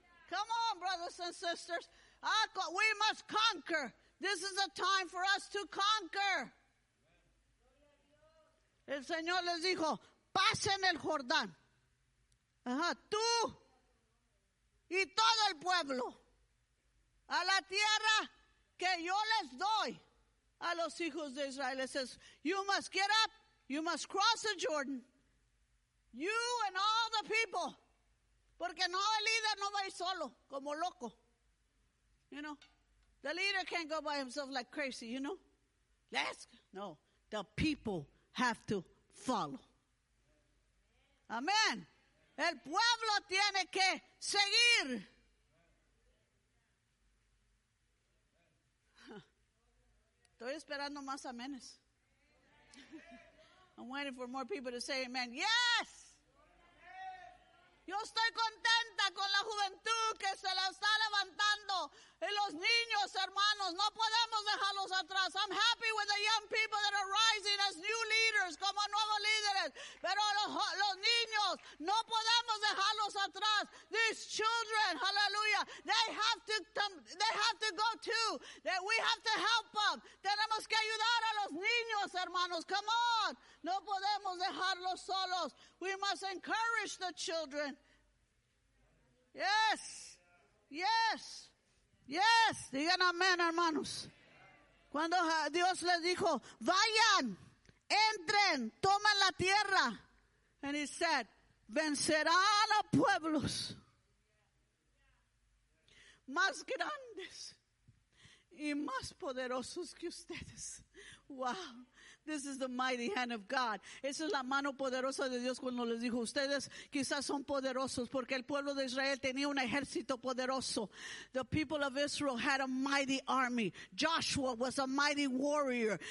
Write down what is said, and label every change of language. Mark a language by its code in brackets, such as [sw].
[en] Come on, brothers and sisters. We must conquer. This is a time for us to conquer. [es] El Señor les dijo, pasen el Jordán. Ajá, tú y todo el pueblo a la tierra que yo les doy a los hijos de Israel. [en] It says, you must get up, you must cross the Jordan, you and all the people, [es] porque no, el líder no va solo, como loco, [en] you know, the leader can't go by himself like crazy, you know, no, the people have to follow. Amen. [es] El pueblo tiene que seguir. Estoy esperando más amenes. [en] I'm waiting for more people to say amen. Yes! [es] Yo estoy contenta con la juventud que se la está levantando. Y los niños, hermanos, no podemos dejarlos atrás. [en] I'm happy with the young people that are rising as new leaders, [es] como nuevos líderes. Pero los niños, no podemos dejarlos atrás. [en] These children, hallelujah, they have to come, go to, that we have to help them. [es] Tenemos que ayudar a los niños, hermanos. [en] Come on. [es] No podemos dejarlos solos. [en] We must encourage the children. Yes. Yes. Yes. [es] Digan amén, hermanos. Cuando Dios les dijo, vayan, entren, tomen la tierra. [en] And he said, [es] vencerán a pueblos más grandes y más poderosos que ustedes. [en] Wow. This is the mighty hand of God. [es] Esa es la mano poderosa de Dios cuando les dijo, ustedes quizás son poderosos porque el pueblo de Israel tenía un ejército poderoso. [en] The people of Israel had a mighty army. Joshua was a mighty warrior.